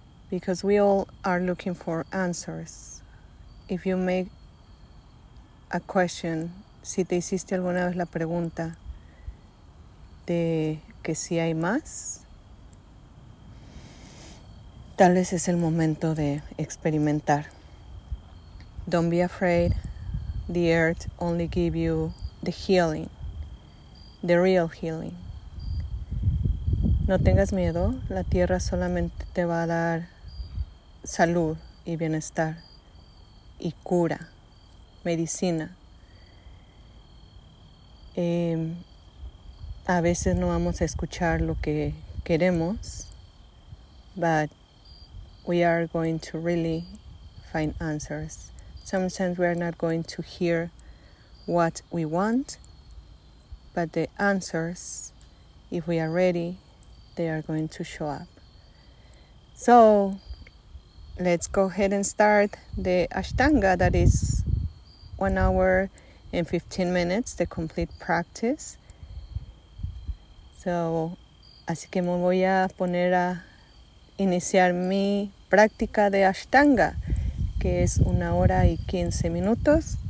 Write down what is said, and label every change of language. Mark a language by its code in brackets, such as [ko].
[en] Because we all are looking for answers. If you make a question, [es] si te hiciste alguna vez la pregunta de que si hay más, tal vez es el momento de experimentar. [en] Don't be afraid. the earth only give you the healing, the real healing. [es] No tengas miedo, la tierra solamente te va a dar salud y bienestar y cura, medicina. A veces no vamos a escuchar lo que queremos, [en] but we are going to really find answers. Sometimes we are not going to hear what we want, but the answers, if we are ready, they are going to show up. So let's go ahead and start the Ashtanga. That is 1 hour and 15 minutes, the complete practice. [es] So, así que me voy a poner a iniciar mi práctica de Ashtanga, que es 1 hora y 15 minutos.